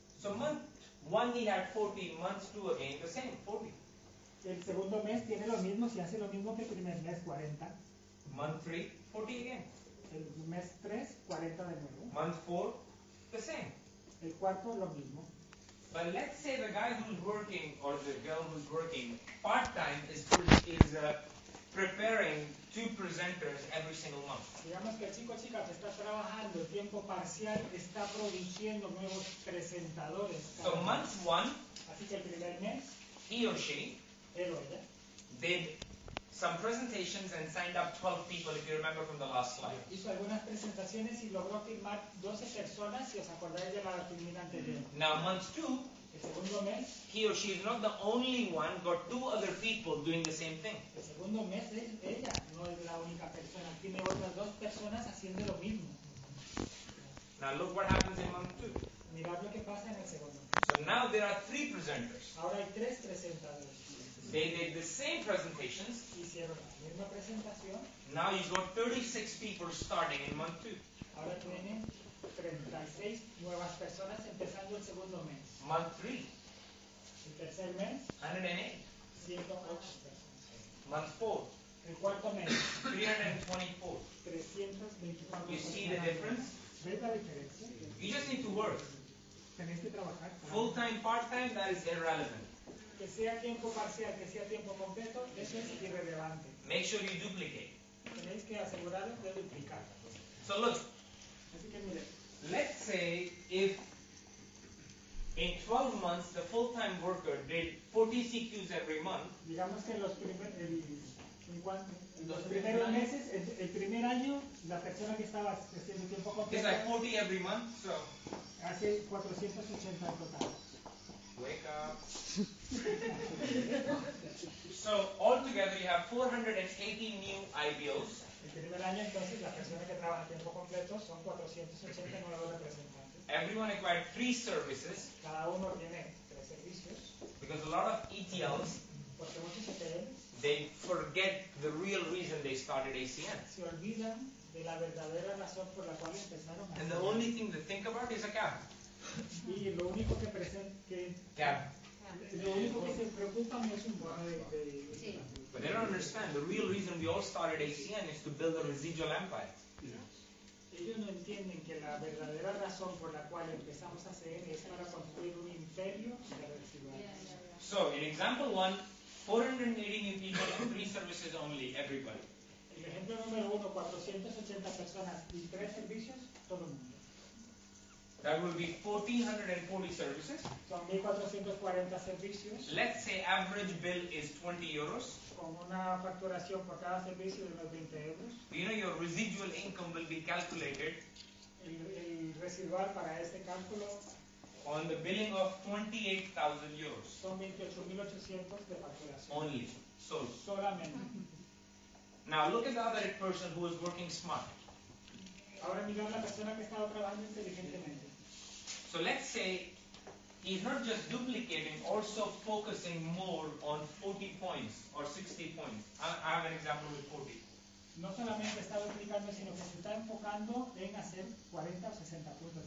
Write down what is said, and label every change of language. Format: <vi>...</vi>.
<en>So month one he had 40, month two again the same, 40.</en> <es>El segundo mes tiene lo mismo, si hace lo mismo que el primer mes, 40.</es> <en>Month 3, 40 again.</en> <es>El mes 3, 40 de nuevo.</es> <en>Month 4, the same.</en> <es>El cuarto, lo mismo.</es> <en>But let's say the guy who's working, or the girl who's working part-time, is preparing 2 presenters every single month.</en> <es>Digamos que el chico o chica que está trabajando tiempo parcial está produciendo nuevos presentadores.</es> <en>So month 1,</en> <es>así que el primer mes,</es> <en>he or she, did some presentations and signed up 12 people, if you remember from the last slide.</en> <es>Hizo algunas presentaciones y logró firmar 12 personas, si os acordáis de la primera anterior.</es> <en>Now, month 2,</en> <es>el segundo mes,</es> <en>he or she is not the only one, got 2 other people doing the same thing.</en> <es>El segundo mes es ella, no es la única persona. Tiene otras 2 personas haciendo lo mismo.</es> <en>Now, look what happens in month 2.</en> <es>Mirad lo que pasa en el segundo mes.</es> <en>So now there are 3 presenters.</en> <es>Ahora hay 3 presentadores.</es> <en>They did the same presentations.</en> <es>Hicieron la misma presentación.</es> <en>Now you've got 36 people starting in month 2.</en> <es>Ahora tienen 36 nuevas personas empezando el segundo mes.</es> <en>Month 3.</en> <es>El tercer mes.</es> <en>108.</en> <es>108 personas.</es> <en>Month 4.</en> <es>El cuarto mes.</es> <en>324.</en> <es>324.</es> <en>You see the difference?</en> <es>¿Ves la diferencia?</es> <en>You just need to work.</en> <es>Tenéis que trabajar.</es> <en>Full time, part time, that is irrelevant.</en> <es>Que sea tiempo parcial, que sea tiempo completo, eso es irrelevante.</es> <en>Make sure you duplicate.</en> <es>Tenéis que aseguraros de duplicar.</es> <en>So look.</en> <es>Así que mire.</es> <en>Let's say if In 12 months, the full-time worker did 40 CQs every month.</en> <es>Digamos que en los primeros meses, el primer año, la persona que estaba haciendo tiempo completo.</es> <en>It's like 40 every month, so.</en> <es>Hace 480 en total.</es> <en>Wake up. So altogether, you have 480 new IBOs.</en> <es>El primer año, entonces, la persona que trabaja tiempo completo son 480 nuevos representantes.</es> <en>Everyone acquired 3 services.</en> <es>Cada uno tiene 3 servicios.</es> <en>Because a lot of ETLs,</en> <es>porque muchos ETLs,</es> <en>they forget the real reason they started ACN.</en> <es>Se olvidan de la verdadera razón por la cual empezaron.</es> <en>And the only thing they think about is a cab.</en> <es>Y lo único que</es> <en>cab.</en> <es>Lo único que se preocupa es un bono de.</es> <en>But they don't understand the real reason we all started ACN is to build a residual empire.</en> <es>Ellos no entienden que la verdadera razón por la cual empezamos a hacer es para construir un imperio de residuos.</es> <en>So, in example one, 480 new people and 3 services only, everybody.</en> <es>El ejemplo número uno, 480 personas y 3 servicios, todo el mundo.</es> <en>That will be 1440 services.</en> <es>Son 1440 servicios.</es> <en>Let's say average bill is 20 euros.</en> <es>Con una facturación por cada servicio de unos 20 euros.</es> <en>You know your residual income will be calculated.</en> <es>El residual para este cálculo.</es> <en>On the billing of 28,000 euros.</en> <es>Son 28,800 de facturación.</es> <en>Only. So.</en> <es>Solamente.</es> <en>Now look at the other person who is working smart.</en> <es>Ahora mira la persona que estaba trabajando inteligentemente.</es> <en>So let's say he's not just duplicating, also focusing more on 40 points or 60 points. I have an example with 40.</en> <es>No solamente está duplicando, sino que se está enfocando en hacer 40 o 60 puntos.</es>